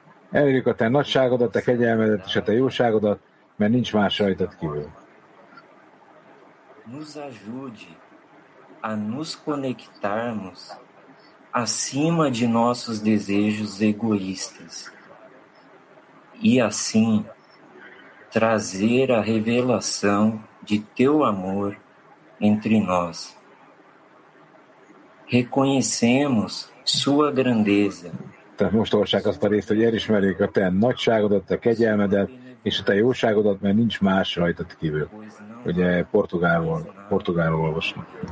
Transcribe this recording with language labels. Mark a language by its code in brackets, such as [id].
[hu] Elérjük a te nagyságodat, a kegyelmedet és a te jóságodat, mert nincs más rajtad kívül. [pt] Nos ajude a nos conectarmos acima de nossos desejos egoístas e assim trazer a revelação de teu amor entre nós. Reconhecemos sua grandeza. [hu] Tehát most olvassák azt a részt, hogy elismerjük a te nagyságodat, a kegyelmedet és a jóságodat, mert nincs más rajtad kívül. Ugye portugálul olvasnak.